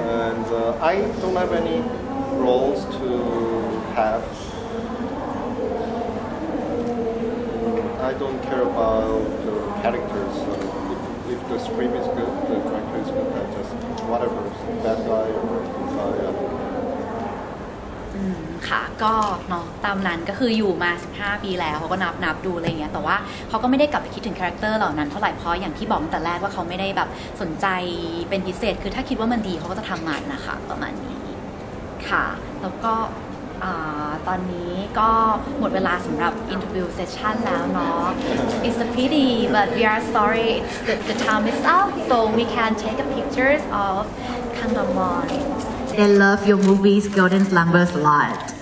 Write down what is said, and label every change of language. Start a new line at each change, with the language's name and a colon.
English: And I don't have any roles to have. I don't care about the characters. If the scream is good, the character is good, I just whatever, bad guy or yeah.
Thai: ค่ะก็เนาะตามนั้นก็คืออยู่มา15ปีแล้วเขาก็นับดูอะไรเงี้ยแต่ว่าเขาก็ไม่ได้กลับไปคิดถึงคาแรคเตอร์เหล่านั้นเท่าไหร่เพราะอย่างที่บอกแต่แรกว่าเขาไม่ได้แบบสนใจเป็นพิเศษคือถ้าคิดว่ามันดีเขาก็จะทำมันนะคะประมาณนี้ค่ะแล้วก็ตอนนี้ก็หมดเวลาสำหรับอินเทอร์วิวเซสชั่นแล้วเนาะ
English: It's a pity but we are sorry the time is up so we can take a pictures of Kangdongmon I love your movies, Golden Slumbers, a lot.